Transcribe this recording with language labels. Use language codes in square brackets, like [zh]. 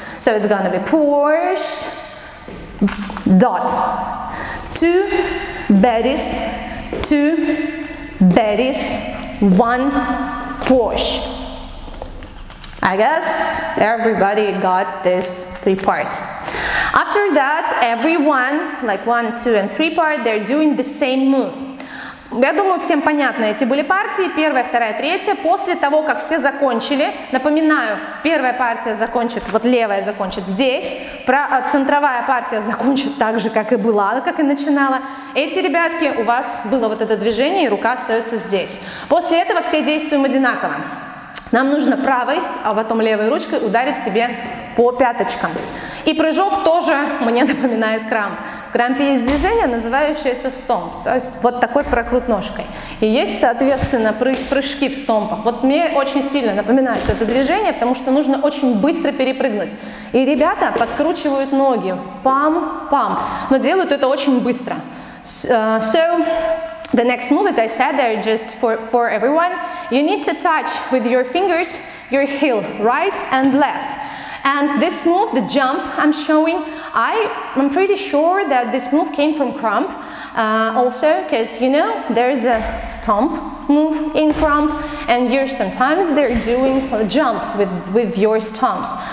[en] So it's gonna be push, dot, two baddies, one push. I guess everybody got these three parts. After that, everyone, like one, two, and three part, they're doing the same move. [ru] Я думаю, всем понятно, эти были партии, первая, вторая, третья. После того, как все закончили, напоминаю, первая партия закончит, вот левая закончит здесь, центровая партия закончит так же, как и была, как и начинала. Эти ребятки, у вас было вот это движение, и рука остается здесь. После этого все действуем одинаково. Нам нужно правой, а потом левой ручкой ударить себе по пяточкам. И прыжок тоже мне напоминает крамп. В крампе есть движение, называющееся стомп. То есть вот такой прокрут ножкой. И есть, соответственно, прыжки в стомпах. Вот мне очень сильно напоминает это движение, потому что нужно очень быстро перепрыгнуть. И ребята подкручивают ноги. Пам-пам. Но делают это очень быстро. [en] So, The next move, as I said, they're just for everyone. You need to touch with your fingers your heel, right and left. And this move, the jump I'm showing, I'm pretty sure that this move came from Crump also, because you know, there's a stomp move in Crump, and you're sometimes they're doing a jump with your stomps.